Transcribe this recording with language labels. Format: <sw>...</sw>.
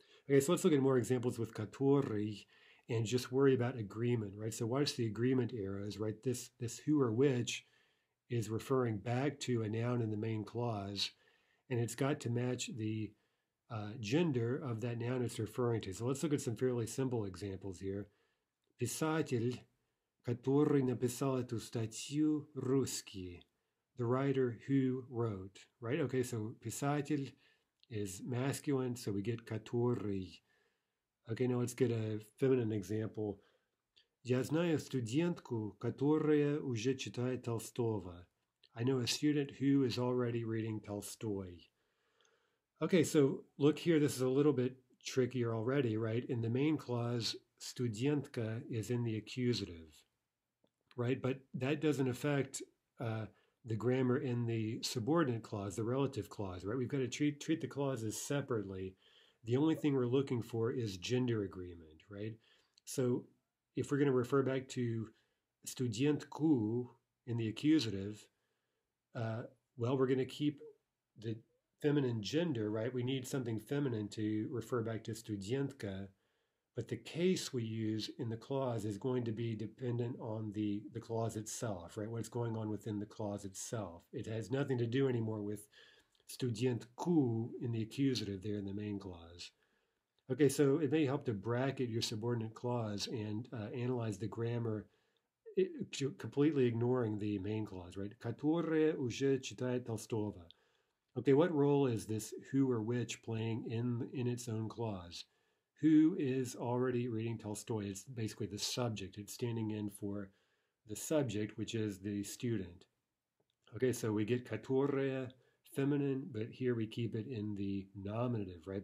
<en>Okay, so let's look at more examples with который and just worry about agreement, right? So, watch the agreement arrows, right? This who or which is referring back to a noun in the main clause, and it's got to match the gender of that noun it's referring to. So let's look at some fairly simple examples here.</en> <ru>Писатель, который написал эту статью, русский.</ru> <en>The writer who wrote, right? Okay, so писатель is masculine, so we get который. Okay, now let's get a feminine example.</en> <ru>Я знаю студентку, которая уже читает Толстого.</ru> <en>I know a student who is already reading Tolstoy. Okay, so look here. This is a little bit trickier already, right? In the main clause, studentka is in the accusative, right? But that doesn't affect the grammar in the subordinate clause, the relative clause, right? We've got to treat the clauses separately. The only thing we're looking for is gender agreement, right? So if we're going to refer back to studentku in the accusative, well, we're going to keep the feminine gender, right? We need something feminine to refer back to studentka, but the case we use in the clause is going to be dependent on the clause itself, right? What's going on within the clause itself. It has nothing to do anymore with studentku in the accusative there in the main clause. Okay, so it may help to bracket your subordinate clause and analyze the grammar, completely ignoring the main clause, right?</en> <ru>Которая уже читает Толстого.</ru> <en>Okay, what role is this who or which playing in its own clause? Who is already reading Tolstoy? It's basically the subject. It's standing in for the subject, which is the student. Okay, so we get которая feminine, but here we keep it in the nominative, right?</en>